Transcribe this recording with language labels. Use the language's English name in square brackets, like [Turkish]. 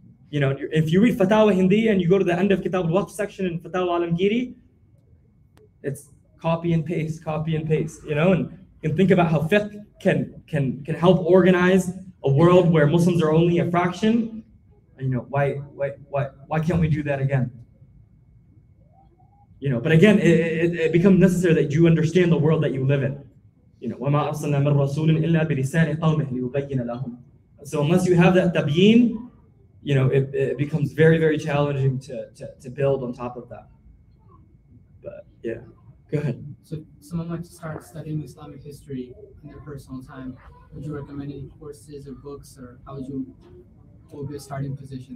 [English] You know, if you read Fatawa Hindi and you go to the end of Kitab al-Waqf section in Fatawa Alamgiri, it's copy and paste, you know, and you can think about how fiqh can help organize a world where Muslims are only a fraction. You know, why can't we do that again? You know, but again, it becomes necessary that you understand the world that you live in. You know, [Arabic] وَمَا أَرْسَلْنَا مِنْ رَسُولٍ إِلَّا بِلِسَانِ قَوْمِهِ لِيُبَيِّنَ لَهُمْ. [English] So unless you have that tabiyin, you know, it becomes very, very challenging to build on top of that. But yeah, go ahead. So someone like to start studying Islamic history in their personal time, would you recommend any courses or books, or how would you, what would be a starting position?